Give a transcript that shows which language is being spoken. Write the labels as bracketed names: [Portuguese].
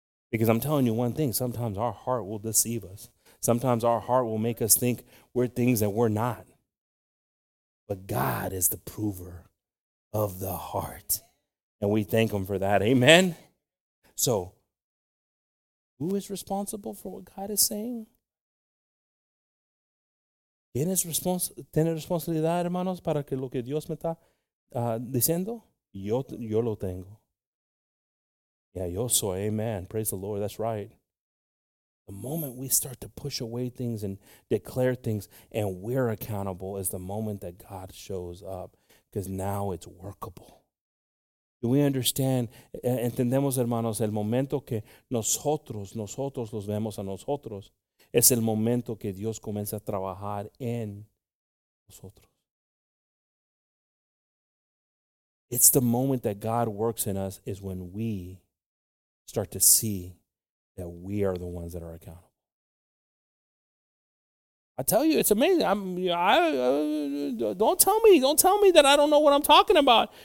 [English] Because I'm telling you one thing. Sometimes our heart will deceive us. Sometimes our heart will make us think we're things that we're not. But God is the prover of the heart. And we thank him for that. Amen? So, who is responsible for what God is saying? [Spanish] ¿Tienes responsabilidad, hermanos, para que lo que Dios me está diciendo? Yo lo tengo. [English] Yeah, [Spanish] yo soy, [English] amen, praise the Lord, that's right. The moment we start to push away things and declare things and we're accountable is the moment that God shows up, because now it's workable. Do we understand? [Spanish] Entendemos, hermanos, el momento que nosotros los vemos a nosotros es el momento que Dios comienza a trabajar en nosotros. [English] It's the moment that God works in us is when we start to see that we are the ones that are accountable. I tell you, it's amazing. Don't tell me that I don't know what I'm talking about.